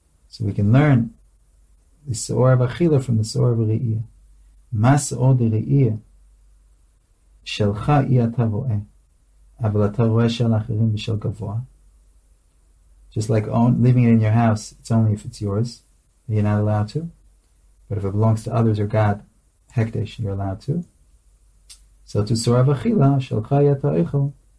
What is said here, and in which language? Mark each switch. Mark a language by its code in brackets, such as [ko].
[en] So we can learn the שאור of אכילה from the שאור of ראייה. [he] מה שאור דה ראייה? שלך אי אתה רואה, אבל אתה רואה של אחרים ושל גבוה. [en] Just like leaving it in your house, it's only if it's yours, you're not allowed to. But if it belongs to others or God, hekdesh, you're allowed to. So to [he] sorav achila, shalcha yata echel.